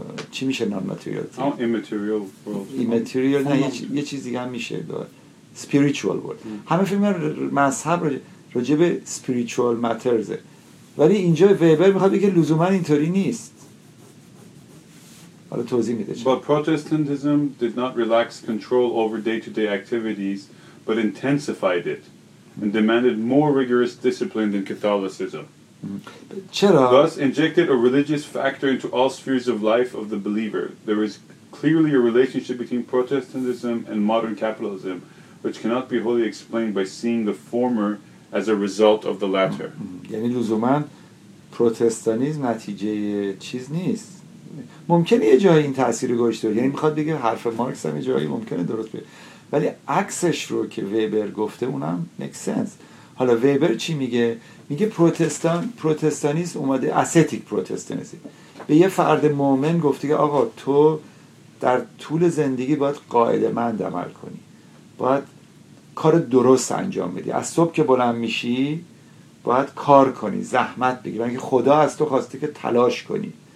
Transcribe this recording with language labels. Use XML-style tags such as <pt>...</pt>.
<fa>چی میشه</fa> <en>non material things؟ immaterial</en> <fa>نه، یه چیز دیگه هم میشه،</fa> <en>spiritual world.</en> <fa>همه فیلم مذهب راجع به</fa> <en>spiritual matters،</en> <fa>ولی اینجا ویبر میخواد بگه لزوما اینطوری نیست. حالا توضیح میده چه.</fa> <en>But Protestantism did not relax control over day-to-day activities but intensified it and demanded more rigorous discipline than Catholicism.</en> <fa>چرا؟</fa> <en>Thus injected a religious factor into all spheres of life of the believer. There is clearly a relationship between Protestantism and modern capitalism which cannot be wholly explained by seeing the former as a result of the latter.</en> <fa>یعنی لزوما پروتستانیسم نتیجه چیز نیست. ممکنه یه جایی این تأثیر رو گوش داره، یعنی میخواد بگه حرف مارکس هم یه جایی ممکنه درست بگه، ولی عکسش رو که ویبر گفته اونم</fa> <en>make sense.</en> <fa>حالا ویبر چی میگه؟ میگه پروتستانیسم اومده، استیک پروتستانیسم، به یه فرد مؤمن گفته که آقا تو در طول زندگی باید قاعده مند عمل کنی، باید کار درست انجام بدی، از صبح که بلند میشی باید کار کنی، زحمت بگیری، اینکه خدا از تو خواسته که تلاش کنی</fa>